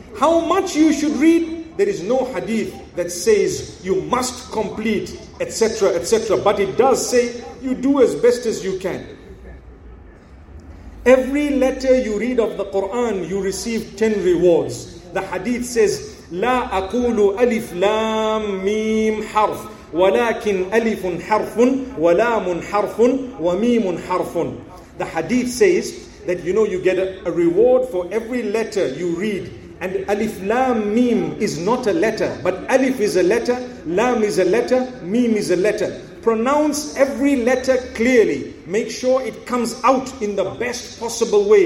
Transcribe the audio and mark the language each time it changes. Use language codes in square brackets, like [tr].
[en] How much you should read? There is no hadith that says you must complete, etc., etc. But it does say you do as best as you can. Every letter you read of the Quran, you receive 10 rewards. The hadith says, [ar] لا أقول ألف لام ميم حرف ولكن ألف حرف ولام حرف وميم حرف. [en] The hadith says that, you know, you get a reward for every letter you read. And alif lam mim is not a letter, but alif is a letter, lam is a letter, mim is a letter. Pronounce every letter clearly. Make sure it comes out in the best possible way.